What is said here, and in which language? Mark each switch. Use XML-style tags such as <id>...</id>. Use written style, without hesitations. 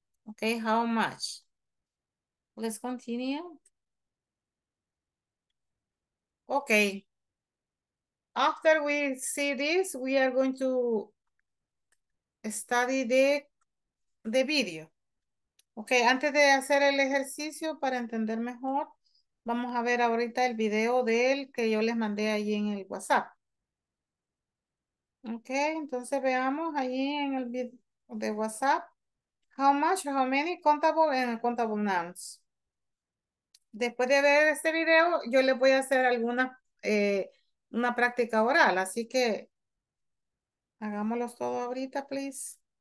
<en>Okay, how much? Let's continue. Okay. After we see this, we are going to study the video.</en> <es>Okay, antes de hacer el ejercicio para entender mejor, vamos a ver ahorita el video del que yo les mandé ahí en el WhatsApp. Okay, entonces veamos ahí en el video de WhatsApp.</es> <en>How much, how many, countable and countable nouns.</en> <es>Después de ver este video, yo les voy a hacer alguna una práctica oral, así que hagámoslos todo ahorita, please.</es>